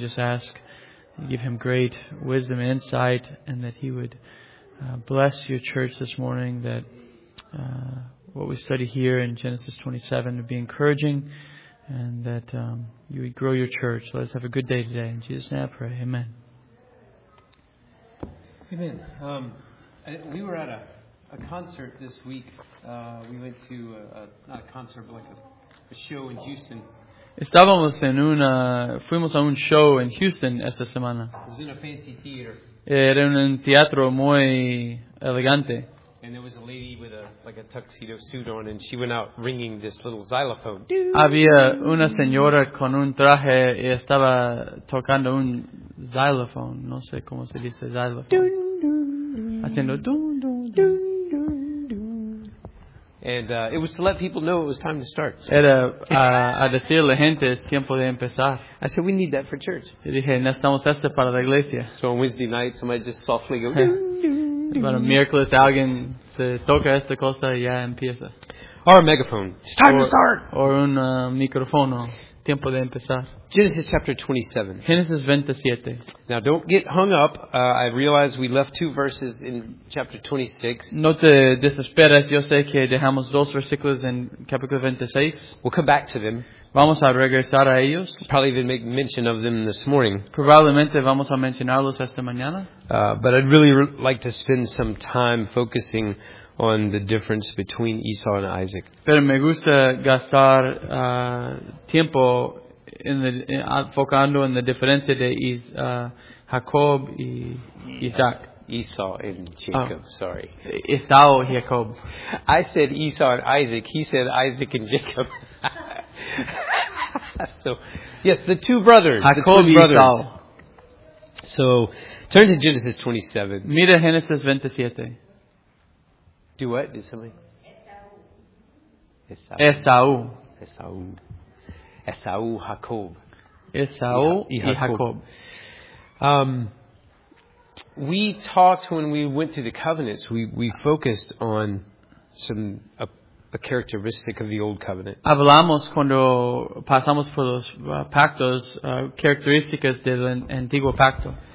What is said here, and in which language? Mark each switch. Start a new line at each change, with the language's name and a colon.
English: Just ask you give him great wisdom and insight, and that he would bless your church this morning, that what we study here in Genesis 27 would be encouraging, and that you would grow your church. Let us have a good day today. In Jesus' name I pray. Amen. Amen. We were at a concert this week. We went to, not a concert, but like a show in Houston.
Spanish: Estábamos en una, fuimos a un show en Houston esta semana.
English: It was in a fancy theater.
Spanish: Era en un teatro muy elegante.
English: And there was a lady with a tuxedo suit on, and she went out ringing this little xylophone.
Spanish: Había una señora con un traje y estaba tocando un xylophone. No sé cómo se dice xylophone. Dun, dun, dun. Haciendo dun, dun, dun. Dun, dun, dun.
English: And it was to let people know it was time to start.
Spanish: Era a decir a la gente es tiempo de empezar.
English: I said, we need that for church.
Spanish: Y dije, necesitamos esto para la iglesia.
English: So on Wednesday night, somebody just softly go, dun, dun.
Spanish: About a miraculous alguien se toca esta cosa y ya empieza.
English: Or a megaphone. It's time to start.
Spanish: Or un micrófono. Tiempo de empezar.
English: Genesis chapter 27.
Spanish: Genesis 27.
English: Now don't get hung up. I realize we left two verses in chapter 26.
Spanish: No te desesperes. Yo sé que dejamos dos versículos en capítulo 26.
English: We'll come back to them.
Spanish: Vamos a regresar a ellos.
English: Probably even make mention of them this morning.
Spanish: Probablemente vamos a mencionarlos esta mañana.
English: But I'd really like to spend some time focusing on the difference between Esau and Isaac.
Spanish: Pero me gusta gastar tiempo enfocando en la diferencia de Jacob y Isaac.
English: Esau and Jacob, sorry.
Spanish: Esau y Jacob.
English: I said Esau and Isaac. He said Isaac and Jacob. So, yes, the two brothers. Jacob the twin brothers. Esau. So, turn to Genesis 27.
Spanish: Mira Genesis 27.
English: Do what? Did somebody? Esau. Esau. Esau. Esau, Jacob.
Spanish: Esau y Jacob.
English: We talked when we went through the covenants, we focused on some a characteristic of the old covenant.
Spanish: Hablamos cuando pasamos por los pactos, características del antiguo pacto.